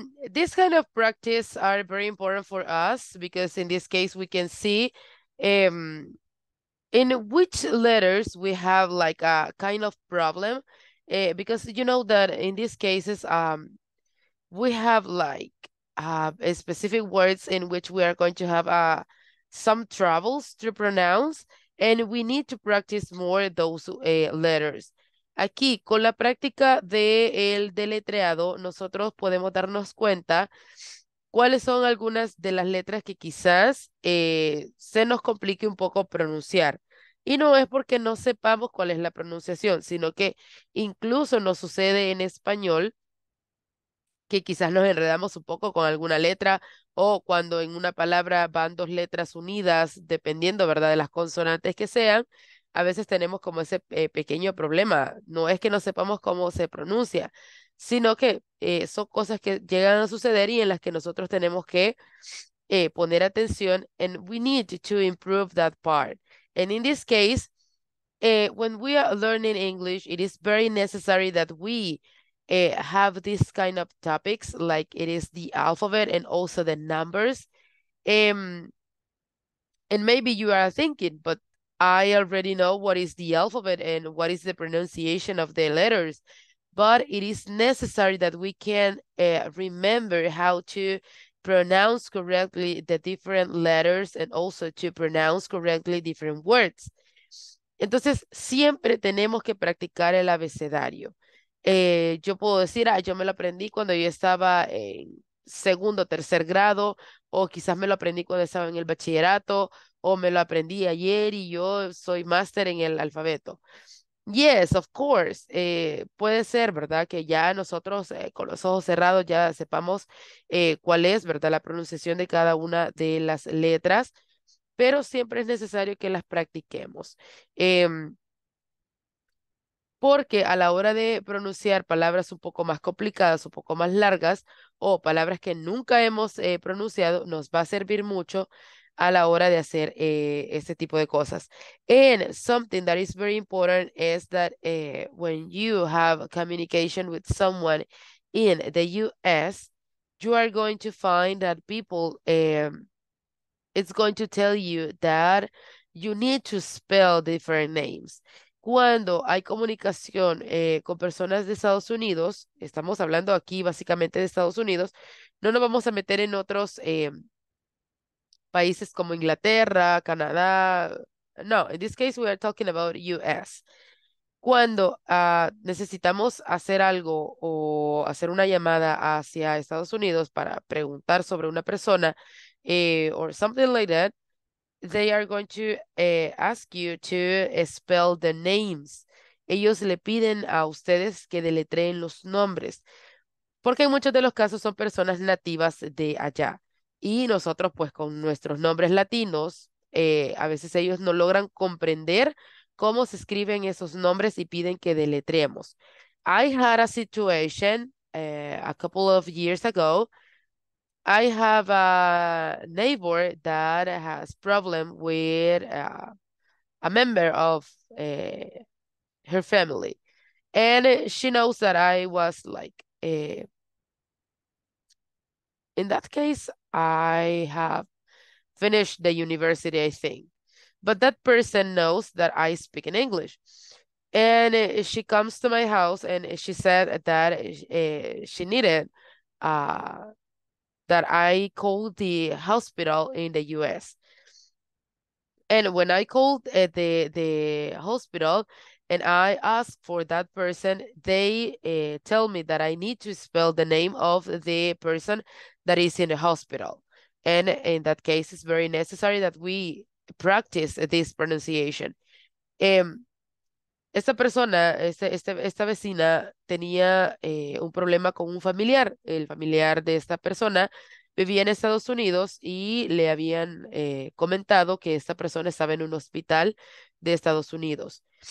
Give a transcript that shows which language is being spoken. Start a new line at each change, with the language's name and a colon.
English: This kind of practice are very important for us because in this case we can see in which letters we have like a kind of problem because you know that in these cases we have like specific words in which we are going to have some troubles to pronounce and we need to practice more those letters.
Spanish: Aquí, con la práctica del deletreado, nosotros podemos darnos cuenta cuáles son algunas de las letras que quizás se nos complique un poco pronunciar. Y no es porque no sepamos cuál es la pronunciación, sino que incluso nos sucede en español que quizás nos enredamos un poco con alguna letra o cuando en una palabra van dos letras unidas, dependiendo, ¿verdad?, de las consonantes que sean. A veces tenemos como ese pequeño problema. No es que no sepamos cómo se pronuncia, sino que son cosas que llegan a suceder y en las que nosotros tenemos que poner atención.
English: And we need to improve that part. And in this case, when we are learning English, it is very necessary that we have this kind of topics, like it is the alphabet and also the numbers. And maybe you are thinking, but I already know what is the alphabet and what is the pronunciation of the letters, but it is necessary that we can remember how to pronounce correctly the different letters and also to pronounce correctly different words.
Spanish: Entonces, siempre tenemos que practicar el abecedario. Yo puedo decir, ah, yo me lo aprendí cuando yo estaba en segundo, tercer grado, o quizás me lo aprendí cuando estaba en el bachillerato, o me lo aprendí ayer y yo soy máster en el alfabeto.
English: Yes, of course.
Spanish: Puede ser, ¿verdad? Que ya nosotros con los ojos cerrados ya sepamos cuál es, ¿verdad? La pronunciación de cada una de las letras, pero siempre es necesario que las practiquemos. Porque a la hora de pronunciar palabras un poco más complicadas, un poco más largas o palabras que nunca hemos pronunciado, nos va a servir mucho a la hora de hacer este tipo de cosas.
English: And something that is very important is that when you have a communication with someone in the US, you are going to find that people, it's going to tell you that you need to spell different names.
Spanish: Cuando hay comunicación con personas de Estados Unidos, estamos hablando aquí básicamente de Estados Unidos, no nos vamos a meter en otros países como Inglaterra, Canadá.
English: No, in this case we are talking about US.
Spanish: Cuando necesitamos hacer algo o hacer una llamada hacia Estados Unidos para preguntar sobre una persona
English: or something like that, they are going to ask you to spell the names.
Spanish: Ellos le piden a ustedes que deletreen los nombres, porque en muchos de los casos son personas nativas de allá. Y nosotros, pues con nuestros nombres latinos, a veces ellos no logran comprender cómo se escriben esos nombres y piden que deletreemos.
English: I had a situation a couple of years ago. I have a neighbor that has problem with a member of her family. And she knows that I was like, in that case, I have finished the university, I think. But that person knows that I speak in English. And she comes to my house and she said that she needed that I called the hospital in the US. And when I called the hospital and I asked for that person, they tell me that I need to spell the name of the person that is in the hospital. And in that case, it's very necessary that we practice this pronunciation.
Spanish: Esta persona, esta vecina tenía un problema con un familiar. El familiar de esta persona vivía en Estados Unidos y le habían comentado que esta persona estaba en un hospital de Estados Unidos.